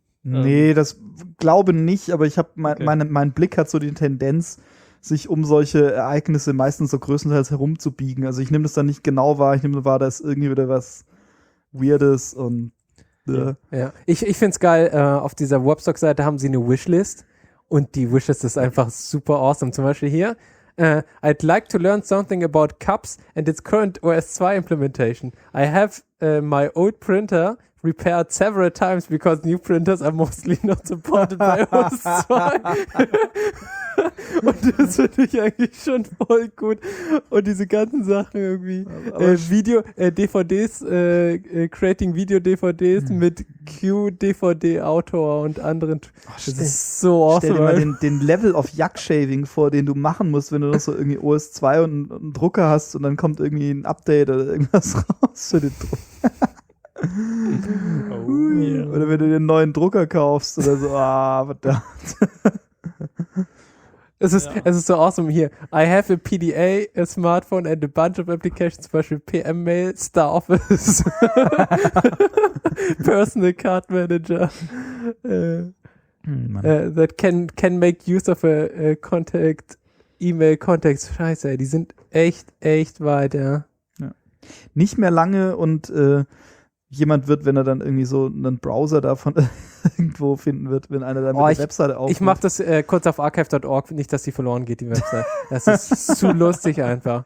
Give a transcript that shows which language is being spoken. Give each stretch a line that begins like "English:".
German: Nee, das glaube nicht, aber ich habe mein Blick hat so die Tendenz, sich um solche Ereignisse meistens so größtenteils herumzubiegen. Also ich nehme das dann nicht genau wahr, ich nehme wahr, da ist irgendwie wieder was Weirdes und Ja. Ich find's geil, auf dieser Webstock-Seite haben sie eine Wishlist und die Wishlist ist einfach super awesome. Zum Beispiel hier,
English: I'd like to learn something about cups and its current OS2 implementation. I have my old printer repaired several times because new printers are mostly not supported by OS2.
German: Und das finde ich eigentlich schon voll gut. Und diese ganzen Sachen irgendwie. DVDs, creating Video-DVDs mit Q-DVD-Autor und anderen. Das ist so awesome. Stell dir mal den Level of Yuck-Shaving vor, den du machen musst, wenn du noch so irgendwie OS2 und einen Drucker hast und dann kommt irgendwie ein Update oder irgendwas raus für den Drucker. Oh, yeah. Oder wenn du dir einen neuen Drucker kaufst oder so, verdammt. Es ist so awesome hier.
English: I have a PDA, a smartphone and a bunch of applications,
German: zum Beispiel
English: PM Mail, Star Office, Personal Card Manager that can make use of a contact, E-Mail Contacts.
German: Scheiße, die sind echt weit, ja. Nicht mehr lange und jemand wird, wenn er dann irgendwie so einen Browser davon irgendwo finden wird, wenn einer dann eine Webseite aufmacht. Ich mache das kurz auf archive.org, nicht, dass die verloren geht, die Webseite. Das ist zu lustig einfach.